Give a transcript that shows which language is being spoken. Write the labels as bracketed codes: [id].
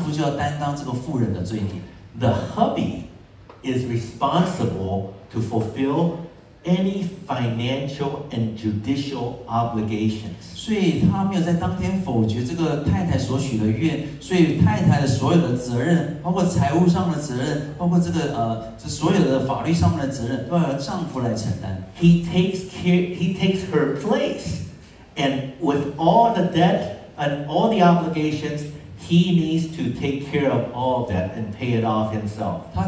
[zh] 在这个丈夫他有责任要承担，在民数记的30:15。但她丈夫听了这个话，不是在当天就否决了，是隔天以后再废了这些话的话，这个丈夫就要担当这个妇人的罪孽。 [en] The hubby is responsible to fulfill any financial and judicial obligations. [zh] 所以她没有在当天否决这个太太所许的愿，所以太太的所有的责任，包括财务上的责任，包括这个所有的法律上面的责任，都要由丈夫来承担。 [en] He takes her place, and with all the debt and all the obligations, he needs to take care of all of that and pay it off himself.